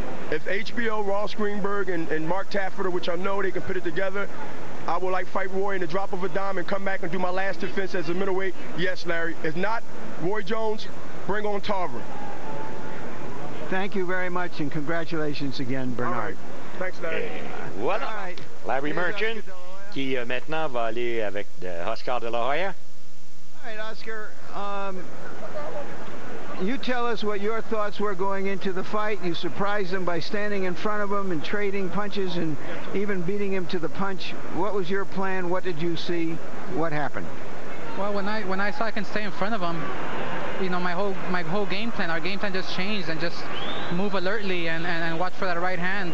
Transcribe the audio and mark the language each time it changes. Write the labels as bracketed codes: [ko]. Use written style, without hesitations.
[en] If HBO, Ross Greenberg, and Mark Taffer, which I know they can put it together, I would like to fight Roy in the drop of a dime and come back and do my last defense as a middleweight. Yes, Larry. If not, Roy Jones, bring on Tarver. Thank you very much, and congratulations again, Bernard. All right. Thanks, Larry. Voilà. All right. [fr] Larry Merchant, qui maintenant va aller avec Oscar De La Hoya. [en] All right, Oscar. You tell us what your thoughts were going into the fight. You surprised him by standing in front of him and trading punches and even beating him to the punch. What was your plan? What did you see? What happened? Well, when I saw I can stay in front of him, you know, my whole game plan, our game plan just changed and just move alertly and watch for that right hand.